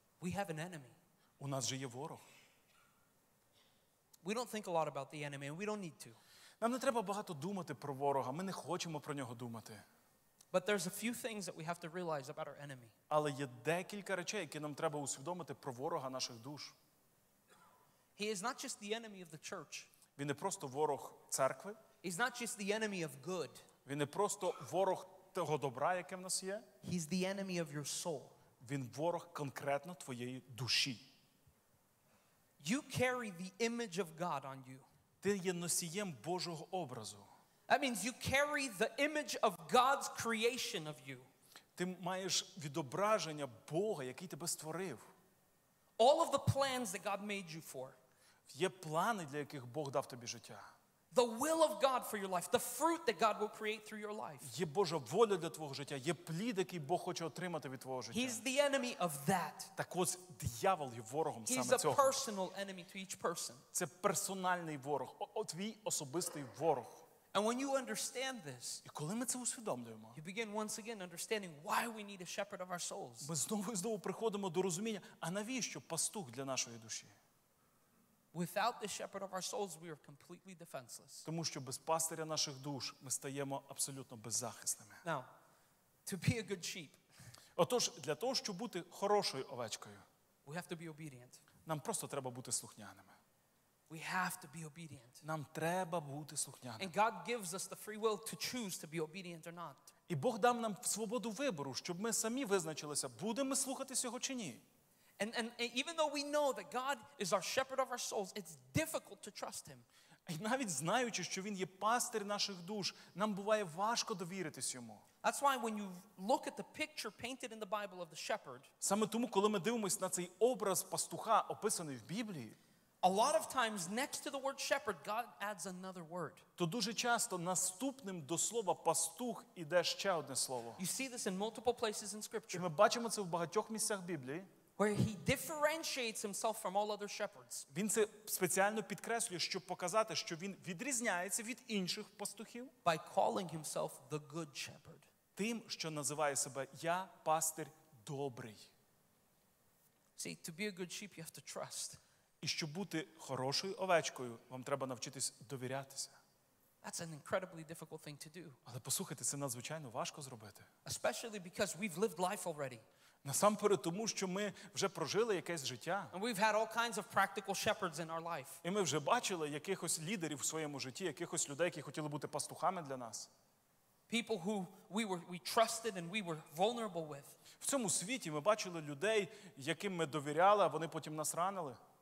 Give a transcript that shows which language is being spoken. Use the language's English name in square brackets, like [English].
[English] We have an enemy. [Ukrainian] У нас же є ворог. [English] We don't think a lot about the enemy and we don't need to. [Ukrainian] Нам не треба багато думати про ворога, ми не хочемо про нього думати. [English] But there's a few things that we have to realize about our enemy. [Ukrainian] Але є декілька речей, які нам треба усвідомити про ворога наших душ. [English] He is not just the enemy of the church. [Ukrainian] Він не просто ворог церкви. [English] He's not just the enemy of good. [Ukrainian] Він не просто ворог того добра, яке в нас є. [English] He's the enemy of your soul. [Ukrainian] Він ворог конкретно твоєї душі. [English] You carry the image of God on you. [Ukrainian] Ти є носієм Божого образу. [English] That means you carry the image of God's creation of you. [Ukrainian] Ти маєш відображення Бога, який тебе створив. [English] All of the plans that God made you for. [Ukrainian] Є плани, для яких Бог дав тобі життя. [English] The will of God for your life, the fruit that God will create through your life. [Ukrainian] Є Божа воля для твого життя, є плід, який Бог хоче отримати від твого життя. [English] He's the enemy of that. [Ukrainian] Так от, диявол є ворогом саме цього. [English] He's a personal enemy to each person. [Ukrainian] Це персональний ворог, твій особистий ворог. [English] And when you understand this, [Ukrainian] і коли ми це усвідомлюємо, [English] you begin once again understanding why we need a shepherd of our souls. [Ukrainian] Ми знову і знову приходимо до розуміння, а навіщо пастух для нашої душі? [English] Without the shepherd of our souls, we are completely defenseless. [Ukrainian] Тому що без пастиря наших душ ми стаємо абсолютно беззахисними. [English] Now, to be a good sheep. [Ukrainian] Отож, для того, щоб бути хорошою овечкою, [English] we have to be obedient. [Ukrainian] Нам просто треба бути слухняними. [English] We have to be obedient. [Ukrainian] Нам треба бути слухняними. [English] And God gives us the free will to choose to be obedient or not. [Ukrainian] І Бог дав нам свободу вибору, щоб ми самі визначилися, будемо ми слухатись його чи ні. [English] And even though we know that God is our shepherd of our souls, it's difficult to trust him. [Ukrainian] І навіть знаючи, що він є пастир наших душ, нам буває важко довіритись йому. [English] That's why when you look at the picture painted in the Bible of the shepherd, [Ukrainian] саме тому, коли ми дивимося на цей образ пастуха, описаний в Біблії, [English] a lot of times next to the word shepherd, God adds another word. [Ukrainian] То дуже часто наступним до слова пастух іде ще одне слово. [English] You see this in multiple places in scripture. [Ukrainian] І ми бачимо це в багатьох місцях Біблії. [English] Where he differentiates himself from all other shepherds. [Ukrainian] Він це спеціально підкреслює, щоб показати, що він відрізняється від інших пастухів. [English] By calling himself the good shepherd. [Ukrainian] Тим, що називає себе я пастир добрий. [English] See, to be a good sheep, you have to trust. [Ukrainian] І щоб бути хорошою овечкою, вам треба навчитись довірятися. [English] That's an incredibly difficult thing to do. [Ukrainian] Але послухайте, це надзвичайно важко зробити. [English] Especially because we've lived life already. [Ukrainian] Насамперед тому, що ми вже прожили якесь життя. [English] And we've had all kinds of practical shepherds in our life. [Ukrainian] І ми вже бачили якихось лідерів в своєму житті, якихось людей, які хотіли бути пастухами для нас. [English] People who we trusted and we were vulnerable with. [Ukrainian] В цьому світі ми бачили людей, яким ми довіряли, а вони потім нас ранили.